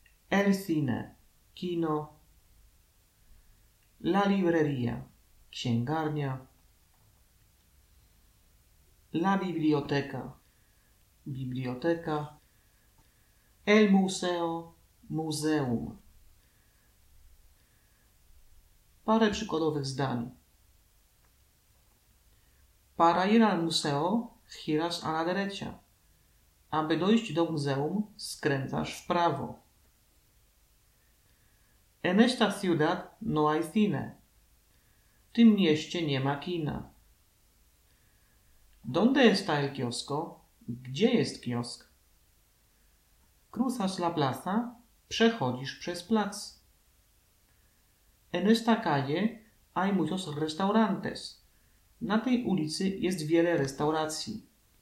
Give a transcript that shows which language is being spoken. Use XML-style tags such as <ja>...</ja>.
<es>El cine.</es> <pl>Kino.</pl> <es>La librería.</es> <pl>Księgarnia.</pl> <es>La biblioteka.</es> <pl>Biblioteka.</pl> <es>El museo.</es> <pl>Muzeum. Parę przykładowych zdań.</pl> <es>Para ir al museo, giras a la derecha.</es> <pl>Aby dojść do muzeum, skręcasz w prawo.</pl> <es>En esta ciudad no hay cine.</es> <pl>W tym mieście nie ma kina.</pl> <es>¿Dónde está el kiosco?</es> <pl>Gdzie jest kiosk?</pl> <es>Cruzas la plaza.</es> <pl>Przechodzisz przez plac.</pl> <es>En esta calle hay muchos restaurantes.</es> <pl>Na tej ulicy jest wiele restauracji.</pl>